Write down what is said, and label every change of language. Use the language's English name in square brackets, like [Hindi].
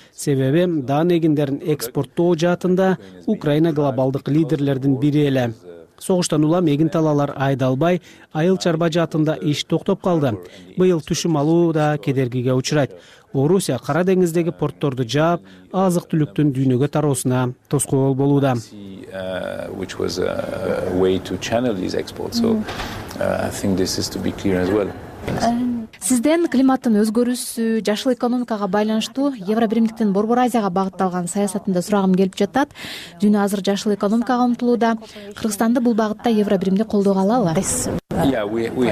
[Kyrgyz] Себеби дан эгиндерин экспорттоо жаатында Украина глобалдык лидерлердин бири эле. Согуштан улам эгин талаалар айдалбай, айыл чарба жаатында иш токтоп калды. Быйыл түшүм алуу да кедергиге учурайт. Орусия Кара деңиздеги портторду жаап, азык-түлүктүн дүйнөгө тароосуна тоскоол болууда. [English] Which was a way to channel these exports. So I think this is to be clear as well. [Kyrgyz] Сизден климаттын өзгөрүүсү, жашыл экономикага байланыштуу Евробиримдиктин Борбор Азияга багытталган саясатында сурагым келип жатат. Дүйнө азыр жашыл экономикага умтулууда. Кыргызстанды бул багытта Евробиримди колдого алабы?